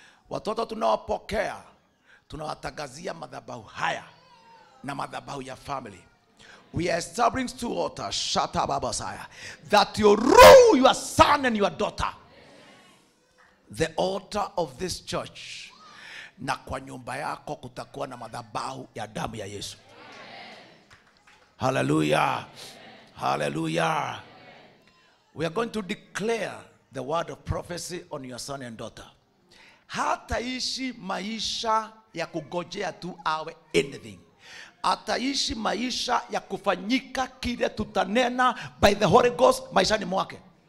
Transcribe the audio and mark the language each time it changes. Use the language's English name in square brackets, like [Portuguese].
[Swahili] Watoto tunawapokea, tunawatagazia madhabahu haya na madhabahu ya [English] family. We are establishing two altars. Shut up, Baba Saya. That you rule your son and your daughter. The altar of this church. [Swahili] Na kwa nyumba yako kutakuwa na madhabahu ya damu ya Yesu. [English] Amen. Hallelujah. Amen. Hallelujah. Amen. We are going to declare the word of prophecy on your son and daughter. [Swahili] Hataishi maisha ya kugojea tu awe [English] anything. [Swahili] Ataishi maisha ya kufanyika kile tutanena [English] by the Holy Ghost [Swahili] maisha ni mwake.